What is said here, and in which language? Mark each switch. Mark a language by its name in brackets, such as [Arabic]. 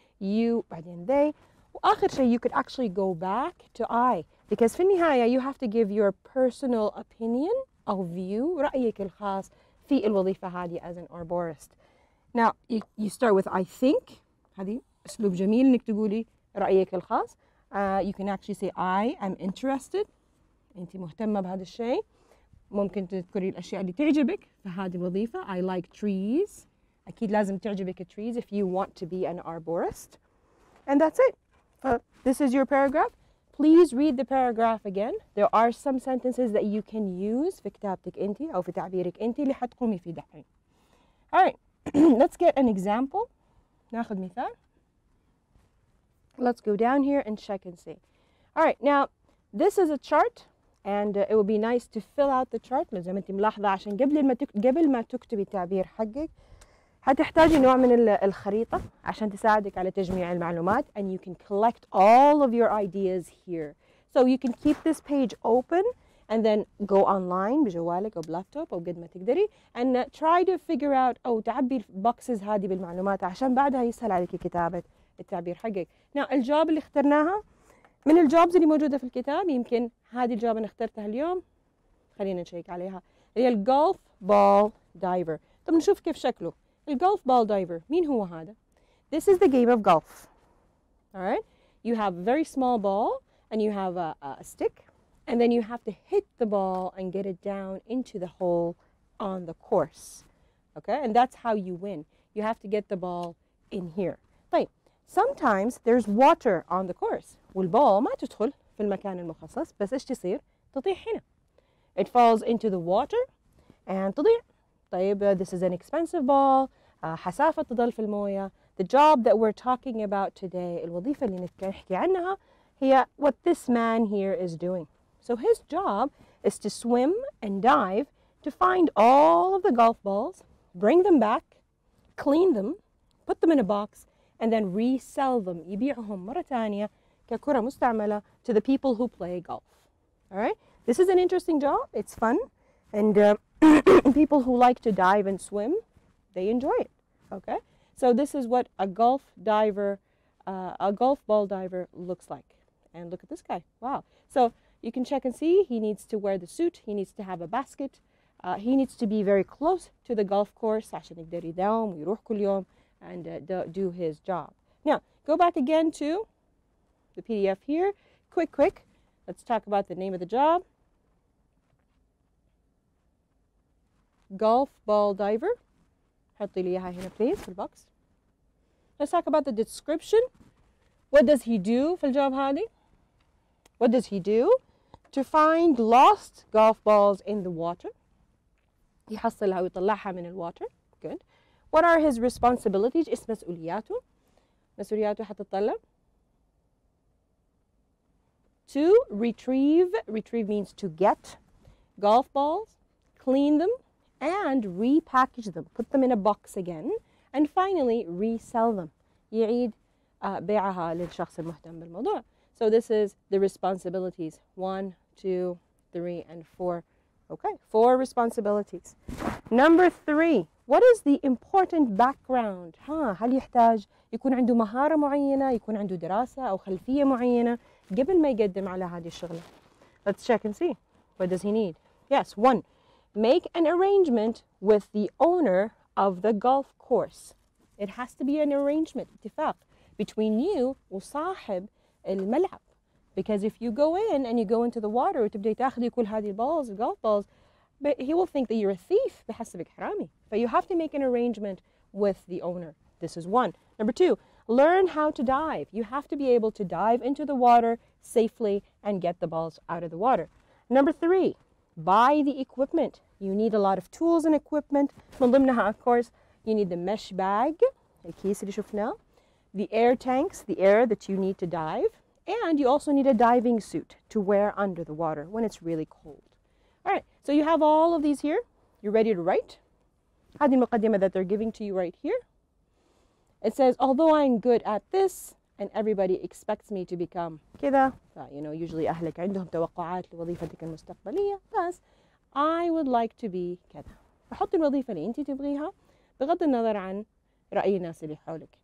[English] you بعدين they [Arabic] وآخر شيء [English] you could actually go back to I because [Arabic] في النهاية [English] you have to give your personal opinion or view [Arabic] رأيك الخاص في الوظيفة هذه [English] as an arborist. Now you start with I think [Arabic] هذه أسلوب جميل إنك تقولي رأيك الخاص. [English] You can actually say I am interested. [Arabic] أنت مهتمة بهذا الشيء. ممكن تذكري الأشياء اللي تعجبك في هذه الوظيفة. [English] I like trees. [Arabic] أكيد لازم تعجبك [English] trees if you want to be an arborist. And that's it. This is your paragraph. Please read the paragraph again. There are some sentences that you can use [Arabic] في كتابتك أنت أو في تعبيرك أنت اللي حتقومي فيه دحين. [English] Alright, let's get an example. [Arabic] ناخذ مثال. [English] Let's go down here and check and see. Alright, now this is a chart and it would be nice to fill out the chart. [Arabic] لازم أنت ملاحظة عشان قبل ما تكتبي التعبير حقك. هتحتاجي نوع من الخريطة عشان تساعدك على تجميع المعلومات [English] and you can collect all of your ideas here. So you can keep this page open and then go online [Arabic] بجوالك أو بلابتوب أو قد ما تقدري [English] and try to figure out [Arabic] أو تعبي البوكسز هذه بالمعلومات عشان بعدها يسهل عليك كتابة التعبير حقك. Now الجواب اللي اخترناها من الجوابز اللي موجودة في الكتاب يمكن هذه الجواب اللي اخترتها اليوم خلينا نشيك عليها، هي الجولف بول دايفر. طب نشوف كيف شكله الجولف بول دايفر. مين هو هذا؟ [English] This is the game of golf. All right? You have a very small ball and you have a stick and then you have to hit the ball and get it down into the hole on the course. Okay? And that's how you win. You have to get the ball in here. [Arabic] طيب [English] sometimes there's water on the course [Arabic] والبول ما تدخل في المكان المخصص، بس ايش تصير؟ تطيح هنا. [English] It falls into the water and تضيع. طيب this is an expensive ball. [Arabic] حسافة تضل في الموية. [English] The job that we're talking about today, [Arabic] الوظيفة اللي نحكي عنها هي [English] what this man here is doing. So his job is to swim and dive to find all of the golf balls, bring them back, clean them, put them in a box, and then resell them. [Arabic] يبيعهم مرة تانية ككرة مستعملة [English] to the people who play golf. All right? This is an interesting job. It's fun. And people who like to dive and swim, they enjoy it. Okay? So this is what a golf diver, a golf ball diver looks like. And look at this guy. Wow. So you can check and see. He needs to wear the suit. He needs to have a basket. He needs to be very close to the golf course. [Arabic] عشان يقدر يداوم ويروح كل يوم [English] and do his job. Now, go back again to the PDF here. Quick. Let's talk about the name of the job. Golf ball diver. [Arabic] حطي لي اياها هنا please في البوكس. [English] Let's talk about the description. What does he do [Arabic] في الجوب هذه؟ [English] What does he do? To find lost golf balls in the water. [Arabic] يحصلها ويطلعها من الواتر. [English] Good. What are his responsibilities? [Arabic] ايش مسؤولياته؟ مسؤولياته حتتطلب [English] to retrieve. Retrieve means to get golf balls, clean them, and repackage them. Put them in a box again. And finally, resell them. [Arabic] يعيد بيعها للشخص المهتم بالموضوع. [English] So this is the responsibilities. 1, 2, 3, and 4. Okay, 4 responsibilities. Number 3. What is the important background? [Arabic] هل يحتاج يكون عنده مهارة معينة, يكون عنده دراسة أو خلفية معينة قبل ما يقدم على هذه الشغلة؟ [English] Let's check and see. What does he need? Yes, 1. Make an arrangement with the owner of the golf course. It has to be an arrangement, اتفاق, between you وصاحب الملعب. Because if you go in and you go into the water [Arabic] وتبدأ تأخذ كل هذه [English] balls, golf balls, but he will think that you're a thief [Arabic] بحسبك حرامي. [English] But you have to make an arrangement with the owner. This is 1. Number 2, learn how to dive. You have to be able to dive into the water safely and get the balls out of the water. Number 3, buy the equipment. You need a lot of tools and equipment. [Arabic] من ضمنها, [English] of course, you need the mesh bag, [Arabic] الكيس اللي شفناه, [English] the air tanks, the air that you need to dive, and you also need a diving suit to wear under the water when it's really cold. All right, so you have all of these here. You're ready to write. [Arabic] هذه المقدمة [English] that they're giving to you right here. It says, although I'm good at this, and everybody expects me to become كذا. You know, usually [Arabic] أهلك عندهم توقعات لوظيفتك المستقبلية. [English] بس I would like to be كذا. [Arabic] أحط الوظيفة اللي أنت تبغيها بغض النظر عن رأي الناس اللي حولك.